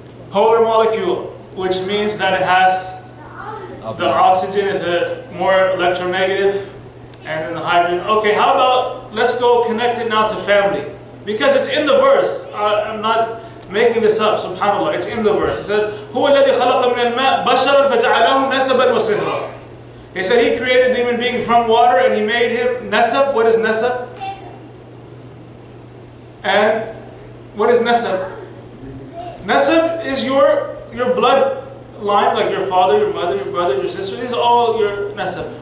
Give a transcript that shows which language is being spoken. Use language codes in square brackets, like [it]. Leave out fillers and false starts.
[en] Polar molecule, which means that it has. The oxygen is a more electronegative, and then the hydrogen. Okay, how about, let's go connect it now to family. Because it's in the verse. I'm not making this up, subhanAllah. It's in the verse. [ar] It said, هُوَ الَّذِي خَلَقَ مِنَ الْمَاءِ بَشَرًا فَجَعَلَهُ نَسَبًا وَسِهْرًا. [en] He said, he created the human being from water, and he made him nasab. What is nasab? And what is nasab? Nasab is your blood. Line like your father, your mother, your brother, your sister, these are all your nasab.